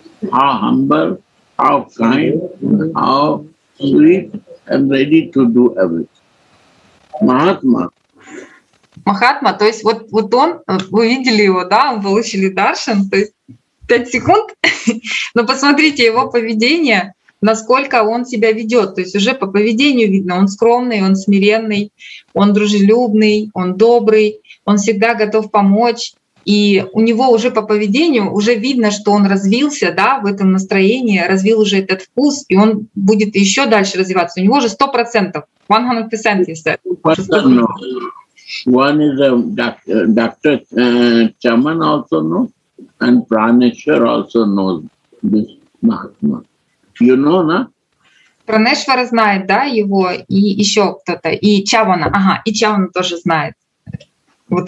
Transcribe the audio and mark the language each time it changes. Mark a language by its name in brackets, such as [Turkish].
[English] How humble, how kind, how sweet and ready to do everything. Mahatma. [Russian] Mahatma, то есть вот, вот он, вы видели его, да, он получили даршан, то есть 5 секунд, но посмотрите его поведение, насколько он себя ведет, то есть уже по поведению видно, он скромный, он смиренный, он дружелюбный, он добрый, он всегда готов помочь. И у него уже по поведению уже видно, что он развился, да, в этом настроении, развил уже этот вкус, и он будет еще дальше развиваться. У него уже 100%. 100%, если так. [English] One is a doctor, Chaman also knows, and Praneshwar also knows this Mahatma. You know, no? [Russian] Praneshwar знает, да, его, и еще кто-то, и Чавана, ага, и Чавана тоже знает вот